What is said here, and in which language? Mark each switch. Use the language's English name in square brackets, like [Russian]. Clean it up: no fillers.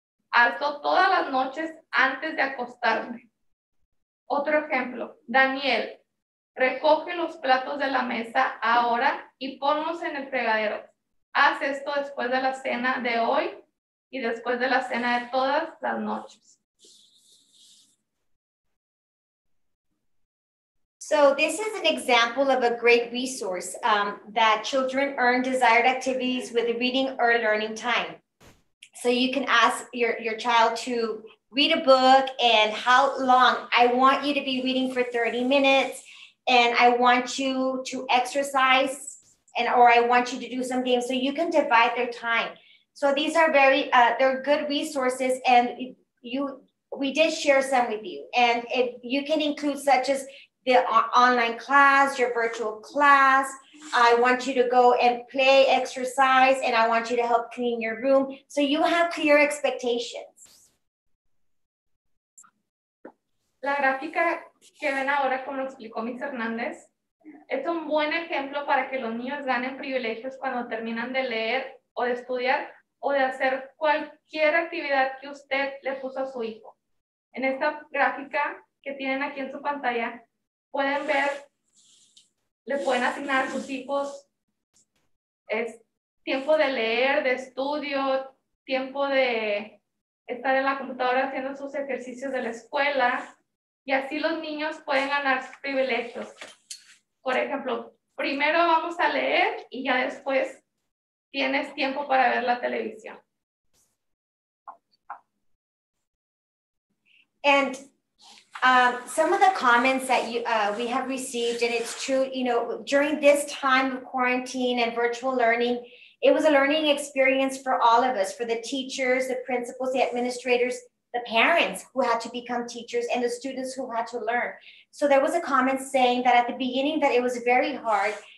[Spanish] Hazlo todas las noches antes de acostarme. Otro ejemplo, Daniel, recoge los platos de la mesa ahora y ponlos en el fregadero. Haz esto después de la cena de hoy y después de la cena de todas las noches. [English] So this is an example of a great resource that children earn desired activities with reading or learning time. So you can ask your child to read a book and how long. I want you to be reading for 30 minutes. And I want you to exercise and or I want you to do some games so you can divide their time. So these are very, they're good resources and we did share some with you. And you can include such as the online class, your virtual class. I want you to go and play exercise and I want you to help clean your room. So you have clear expectations. [Spanish] La gráfica que ven ahora, como lo explicó [English] Ms. Hernández, [Spanish] es un buen ejemplo para que los niños ganen privilegios cuando terminan de leer o de estudiar o de hacer cualquier actividad que usted le puso a su hijo. En esta gráfica que tienen aquí en su pantalla, pueden ver, le pueden asignar a sus hijos es tiempo de leer, de estudio, tiempo de estar en la computadora haciendo sus ejercicios de la escuela. Y así los niños pueden ganar sus privilegios. Por ejemplo, primero vamos a leer y ya después tienes tiempo para ver la televisión. [English] And some of the comments that we have received, and it's true, you know, during this time of quarantine and virtual learning, it was a learning experience for all of us, for the teachers, the principals, the administrators, the parents who had to become teachers and the students who had to learn. So there was a comment saying that at the beginning that it was very hard.